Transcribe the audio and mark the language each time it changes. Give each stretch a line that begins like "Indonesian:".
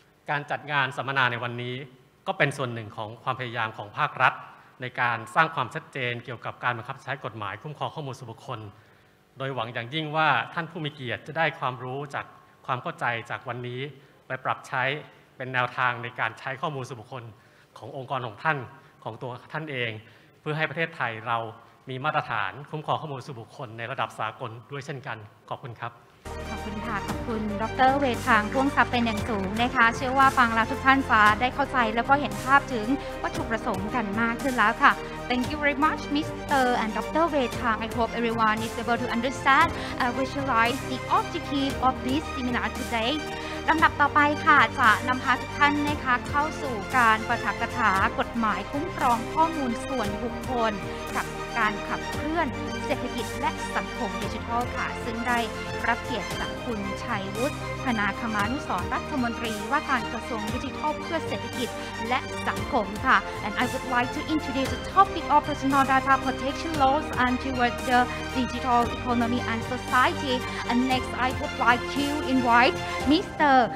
Thai: การจัดงานสัมมนาในวันนี้ก็เป็นส่วนหนึ่งของความพยายามของภาครัฐในการสร้างความชัดเจนเกี่ยวกับการบังคับใช้กฎหมายคุ้มครองข้อมูลส่วนบุคคลโดยหวังอย่างยิ่งว่าท่านผู้มีเกียรติจะได้ความรู้จากความเข้าใจจากวันนี้ไปปรับใช้เป็นแนวทางในการใช้ข้อมูลส่วนบุคคลขององค์กรของท่านของตัวท่านเองเพื่อให้ประเทศไทยเรามีมาตรฐานคุ้มครองข้อมูลส่วนบุคคลในระดับสากลด้วยเช่นกันขอบคุณครับ คุณค่ะขอบคุณดร.เวทางพ่วงทรัพย์เป็นอย่างสูงนะคะเชื่อว่าฟังแล้วทุกท่านฟ้าได้เข้าใจแล้วก็เห็นภาพถึงวัตถุประสงค์กันมากขึ้นแล้วค่ะ
English: Thank you very much, Mr. and Dr. Wei Chang. I hope everyone is able to understand and visualize the objective of this seminar today.
Thai: ลำดับต่อไปค่ะจะนำพาทุกท่านนะคะเข้าสู่การปาฐกถากฎหมายคุ้มครองข้อมูลส่วนบุคคลกับการขับเคลื่อนเศรษฐกิจและสังคมดิจิทัลค่ะซึ่งได้ รับเกียรติจากคุณชัยวุฒิพนาคมานุสรรัฐมนตรีว่าการกระทรวงดิจิทัลเพื่อเศรษฐกิจและสังคมค่ะ
English: And I would like to introduce the topic of personal data protection laws and towards the digital economy and society and next I would like to invite Mr.